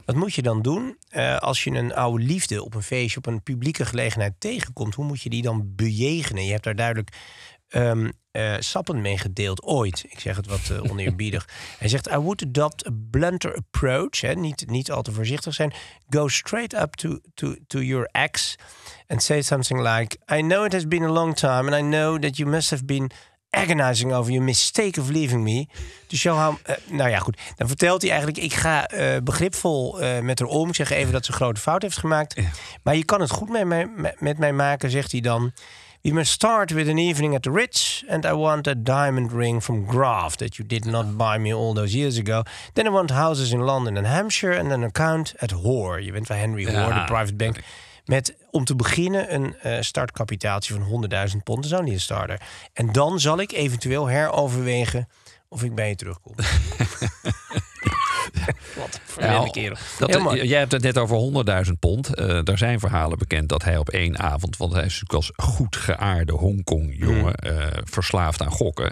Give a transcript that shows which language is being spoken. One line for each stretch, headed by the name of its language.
Dutch: Wat moet je dan doen als je een oude liefde op een feestje, op een publieke gelegenheid tegenkomt? Hoe moet je die dan bejegenen? Je hebt daar duidelijk sappen mee gedeeld ooit. Ik zeg het wat oneerbiedig. Hij zegt:
English: "I would adopt a blunter approach."
Dutch: Hè, niet al te voorzichtig zijn.
English: "Go straight up to your ex and say something like: 'I know it has been a long time and I know that you must have been agonizing over your mistake of leaving me. To show how..."
Dutch: Nou ja, goed. Dan vertelt hij eigenlijk: ik ga begripvol met haar om. Ik zeg even dat ze een grote fout heeft gemaakt. Ja. Maar je kan het goed met mij maken, zegt hij dan.
English: "You must start with an evening at the Ritz, and I want a diamond ring from Graf that you did not buy me all those years ago. Then I want houses in London and Hampshire, and an account at Hoare."
Dutch: Je bent van Henry Hoare, de private bank. Met om te beginnen een startkapitaaltje van 100.000 pond. Zo'n die starter. En dan zal ik eventueel heroverwegen of ik bij je terugkom. Wat een vreemde kerel. Jij hebt het net over 100.000 pond. Daar zijn verhalen bekend dat hij op één avond, want hij is natuurlijk als goed geaarde Hongkong-jongen verslaafd aan gokken.